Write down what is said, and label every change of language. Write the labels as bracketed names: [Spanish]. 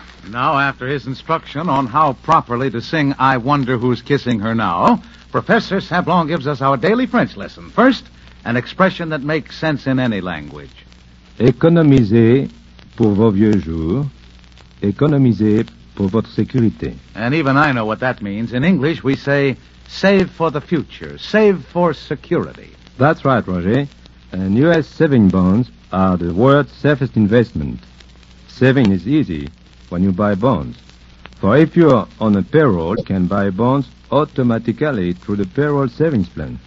[English] Now, after his instruction on how properly to sing I Wonder Who's Kissing Her Now, Professor Sablon gives us our daily French lesson. First, an expression that makes sense in any language. [French] Économisez pour vos vieux jours. Économisez pour votre sécurité. [English] And even I know what that means. In English, we say, save for the future, save for security. That's right, Roger. And U.S. saving bonds are the world's safest investment. Saving is easy when you buy bonds. For if you're on a payroll, you can buy bonds automatically through the payroll savings plan.